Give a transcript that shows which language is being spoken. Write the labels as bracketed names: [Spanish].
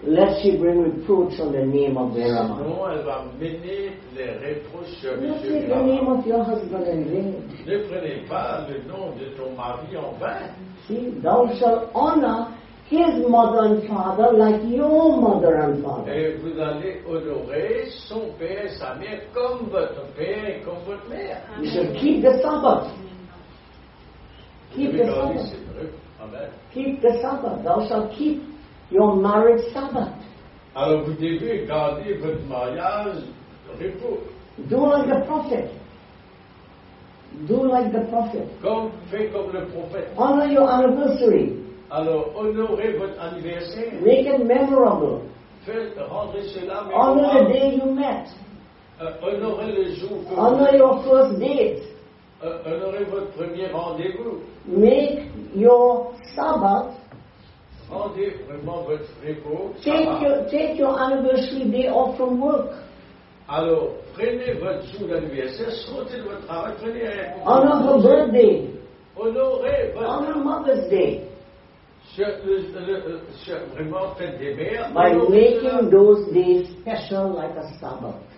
[English] Lest she bring reproach on the name of Virama. [French] Sinon, elle va mener les reproches sur [English] Monsieur Virama. Don't take the name of your husband in vain. [French] Ne prenez pas le nom de ton mari en vain. [English] See, thou shalt honor his mother and father like your mother and father. [French] Et vous allez honorer son père et sa mère comme votre père et comme votre mère. [English] Amen. You should keep the Sabbath. Keep the Sabbath. Keep the Sabbath. Thou shalt keep your marriage Sabbath. [French] Alors vous devez garder votre mariage repos. [English] Do like the prophet. Do like the prophet. [French] Comme, fais comme le prophète. [English] Honor your anniversary. [French] Alors, honorez votre anniversaire. [English] Make it memorable. [French] Rendez cela [English] honor the day you met. [French] Honorez le jour que [English] honor [French] vous... [English] your first date. [French] Honorez votre premier rendez-vous. [English] Make your Sabbath. [French] Rendez vraiment votre repos. [English] Take your anniversary day off from work. [French] Alors, prenez votre jour d'anniversaire, sortez de votre travail, prenez un [English] honor her birthday. [French] Honorez votre... [English] honor Mother's Day. By making those days special like a Sabbath.